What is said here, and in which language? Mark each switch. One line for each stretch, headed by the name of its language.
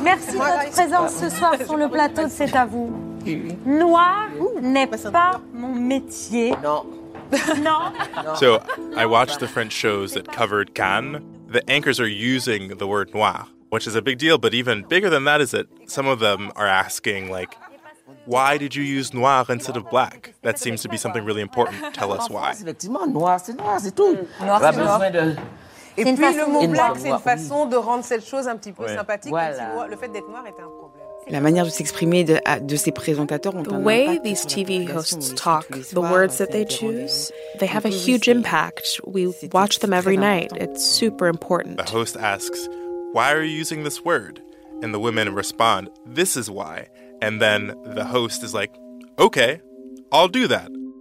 French: Merci de votre présence ce soir sur le plateau de C'est à vous. Noir n'est pas mon métier. Non.
English: So I watched the French shows that covered Cannes. The anchors are using the word noir. which is a big deal. But even bigger than that is that some of them are asking, like, why did you use noir instead of black? That seems to be something really important. Tell us why.
French: Et c'est puis le mot black, c'est une façon de rendre cette chose un petit peu ouais. sympathique. Voilà. Si vois, le fait d'être noir était un problème. La manière de s'exprimer de ces présentateurs ont the un impact.
English: The way these TV hosts talk, the words that they choose, they have a huge impact. We watch them every night. It's super important. The host asks, why are you using this word? And the women respond, this is why. And then the host is like, okay, I'll do that.